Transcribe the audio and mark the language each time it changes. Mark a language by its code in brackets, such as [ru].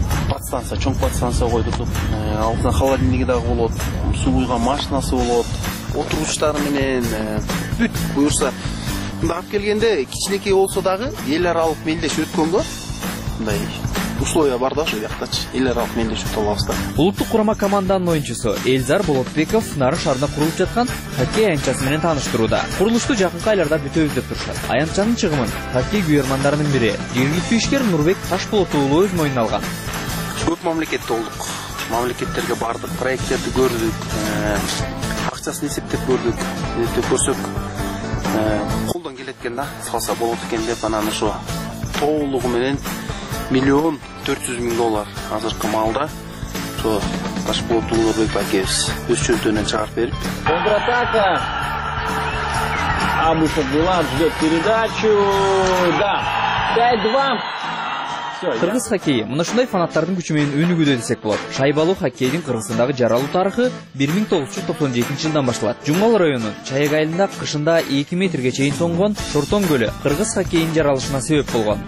[ky] Подстанция, чоң подстанция койдурдук. Алдына холодильниги дагы болот, суу куйган машинасы болот, отургучтар менен бүт буюрса. Мында алып келгенде кичинекей болсо дагы эл аралык мелдешүү өткөнгө мындай условия бар да, ошол жактачы. Эл аралык мелдешүү болобуз да. Улуттук курама команданын оюнчусу Элзар Болотбеков Нарын шаарында курулуп жаткан хоккей аянтчасы менен тааныштырууда. Курулушту жакынкы айларда бүтөбүз деп турушат. Аянтчанын чыгымын хоккей күйөрмандарынын бири жергиликтүү ишкер Нурбек Ташболот уулу өз моюнуна алган. Көп мамлекетте болдук, мамлекеттерге бардык, проекттерди көрдүк, акчасын эсептеп көрдүк, көрсөк колдон келет экен да, салса болот экен деп анан ошо тоолугу менен $1,400,000 азыркы маалда ошо Ташболот уулу Нурбек акебиз өз чөнтөгүнөн чыгарып берип. [ru] Контратака. Абышев Билан ждет передачу. Да. 5-2. [ky] Кыргыз хоккейи мына ушундай фанаттардын күчү менен өнүгүүдө десек болот. Шайбалуу хоккейдин Кыргызстандагы жаралуу тарыхы 1997-жылдан башталат. Жумал районунун Чайек айылында кышында 2 метрге чейин тоңгон Шортон көлү кыргыз хоккейинин жаралышына себеп болгон.